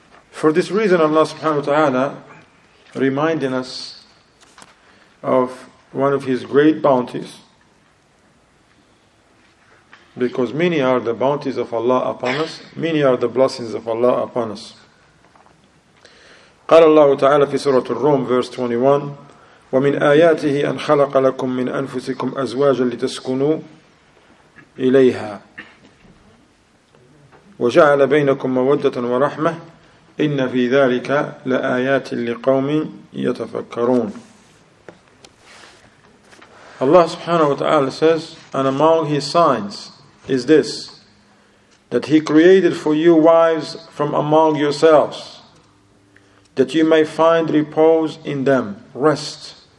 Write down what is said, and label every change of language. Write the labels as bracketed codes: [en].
[en] For this reason Allah subhanahu wa ta'ala reminding us of one of his great bounties, because many are the bounties of Allah upon us, many are the blessings of Allah upon us. [ar] قال الله تعالى في سورة الروم [en] verse 21 [ar] ومن آياته أن خلق لكم من أنفسكم أزواجا لتسكنوا إليها وجعل بينكم مودة ورحمة إن في ذلك لآيات لقوم يتفكرون. [en] Allah subhanahu wa ta'ala says, and among his signs is this, that he created for you wives from among yourselves, that you may find repose in them, rest.